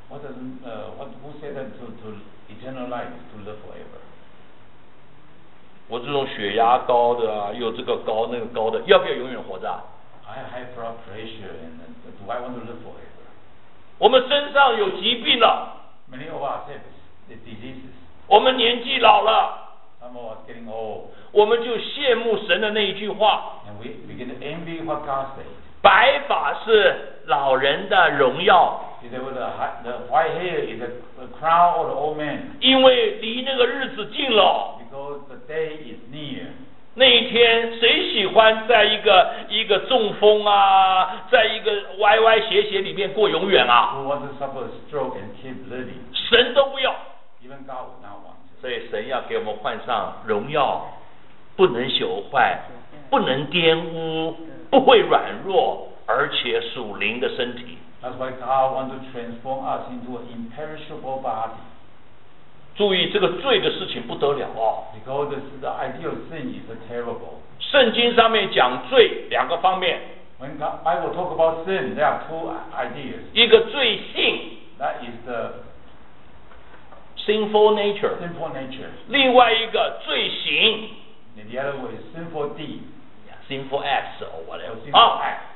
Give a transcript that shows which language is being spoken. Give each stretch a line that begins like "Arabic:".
English: Who said that to eternal life is to live forever?
Chinese: 我这种血压高的啊，有这个高那个高的，要不要永远活着？
English: I have high blood pressure and do I want to live forever?
Chinese: 我们身上有疾病了。
English: Many of us have the diseases.
Chinese: 我们年纪老了。
English: Some of us getting old.
Chinese: 我们就羡慕神的那一句话。
English: And we begin to envy what God said.
Chinese: 白发是老人的荣耀。
English: The white hair is the crown of the old man.
Chinese: 因为离那个日子近了。
English: Because the day is near.
Chinese: 那一天谁喜欢在一个中风啊，在一个歪歪斜斜里面过永远啊？
English: Who wants to suffer a stroke and keep living?
Chinese: 神都不要。
English: Even God would not want.
Chinese: 所以神要给我们换上荣耀，不能朽坏，不能玷污，不会软弱，而且属灵的身体。
English: That's why God wants to transform us into an imperishable body.
Chinese: 注意这个罪的事情不得了哦。
English: Because the idea of sin is terrible.
Chinese: 圣经上面讲罪两个方面。
English: When God, Bible talk about sin, there are two ideas.
Chinese: 一个罪性。
English: That is the sinful nature. Sinful nature.
Chinese: 另外一个罪行。
English: And the other one is sinful deed. Yeah, sinful acts or whatever. Sinful acts.